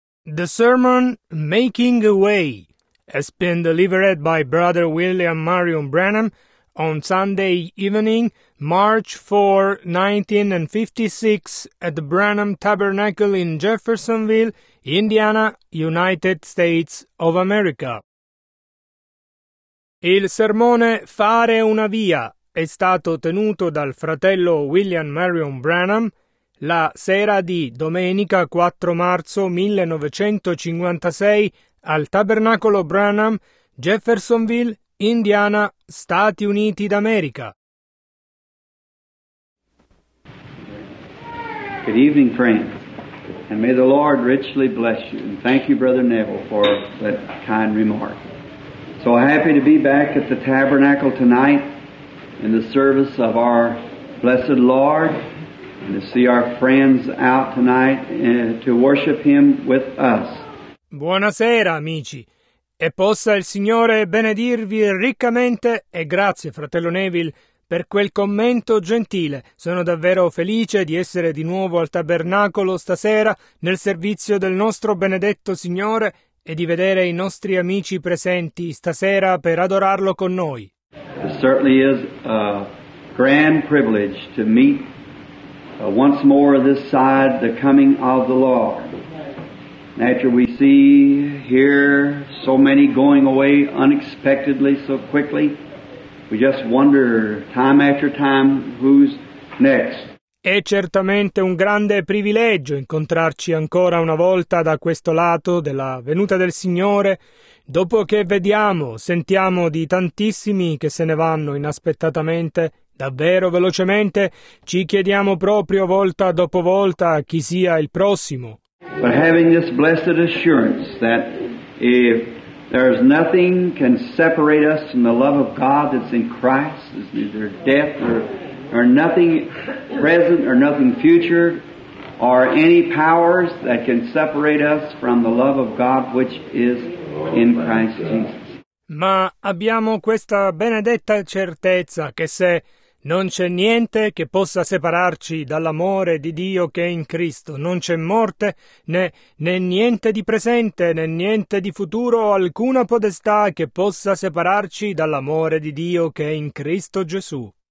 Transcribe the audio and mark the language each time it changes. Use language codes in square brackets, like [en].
[en] The sermon Making a Way has been delivered by Brother William Marion Branham on Sunday evening, March 4, 1956, at the Branham Tabernacle in Jeffersonville, Indiana, United States of America. [it] Il sermone Fare una via è stato tenuto dal fratello William Marion Branham la sera di domenica 4 marzo 1956 al Tabernacolo Branham, Jeffersonville, Indiana, Stati Uniti d'America. [en] Good evening, friends, and may the Lord richly bless you. And thank you, Brother Neville, for that kind remark. So happy to be back at the Tabernacle tonight in the service of our blessed Lord. And to see our friends out tonight to worship Him with us. [it] Buonasera, amici. E possa il Signore benedirvi riccamente. E grazie, fratello Neville, per quel commento gentile. Sono davvero felice di essere di nuovo al tabernacolo stasera nel servizio del nostro benedetto Signore e di vedere i nostri amici presenti stasera per adorarlo con noi. [en] It certainly is a grand privilege to meet once more this side the coming of the Lord. Naturally, we see here so many going away unexpectedly so quickly. We just wonder time after time who's next. [it] È certamente un grande privilegio incontrarci ancora una volta da questo lato della venuta del Signore, dopo che vediamo, sentiamo di tantissimi che se ne vanno inaspettatamente. Davvero velocemente ci chiediamo proprio volta dopo volta chi sia il prossimo. [en] But having this blessed assurance that if there's nothing can separate us from the love of God that's in Christ, is neither death or nothing present or nothing future or any powers that can separate us from the love of God which is in Christ Jesus. [it] Ma abbiamo questa benedetta certezza che se non c'è niente che possa separarci dall'amore di Dio che è in Cristo. Non c'è morte, né niente di presente, né niente di futuro, alcuna potestà che possa separarci dall'amore di Dio che è in Cristo Gesù.